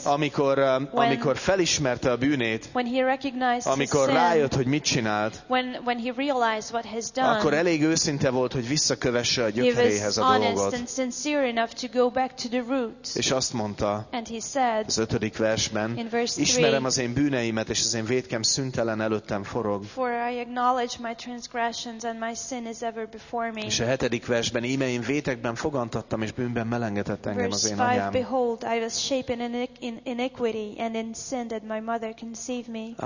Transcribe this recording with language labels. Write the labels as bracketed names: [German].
[Hungarian] amikor felismerte a bűnét, amikor rájött, [English] sin, [Hungarian] hogy mit csinált, [English] when he realized what has done, [Hungarian] akkor elég őszinte volt, hogy visszakövesse a gyökeréhez a dolgot. [English] And sincere enough to go back to the roots. [Hungarian] És azt mondta, [English] and he said, [Hungarian] az ötödik versben, [English] in verse 3, [Hungarian] ismerem az én bűneimet és az én vétkeimet, nekem szüntelen előttem forog. [English] For I acknowledge my transgressions and my sin is ever before me. [Hungarian] És a hetedik versben, íme én vétekben fogantattam és bűnben melengetett engem az én anyám. [English] Verse 5, behold, I was shapen in iniquity and in sin did my mother conceive me.